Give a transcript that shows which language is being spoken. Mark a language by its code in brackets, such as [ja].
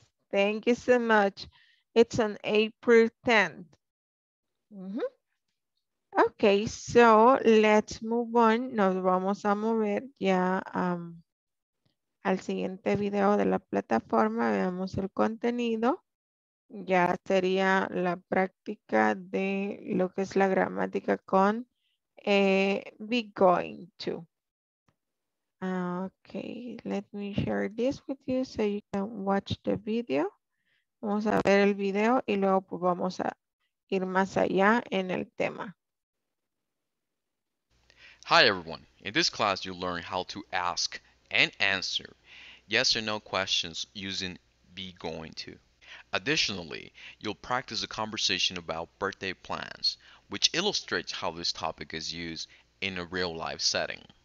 [en] Thank you so much. It's on April 10th. Mm-hmm. Okay, so let's move on. [es] Nos vamos a mover ya al siguiente video de la plataforma. Veamos el contenido. Ya sería la práctica de lo que es la gramática con be going to. [en] Okay, let me share this with you so you can watch the video. [es] Vamos a ver el video y luego pues vamos a ir más allá en el tema. [en] Hi everyone. In this class you learn how to ask and answer yes or no questions using be going to. Additionally, you'll practice a conversation about birthday plans, which illustrates how this topic is used in a real life setting.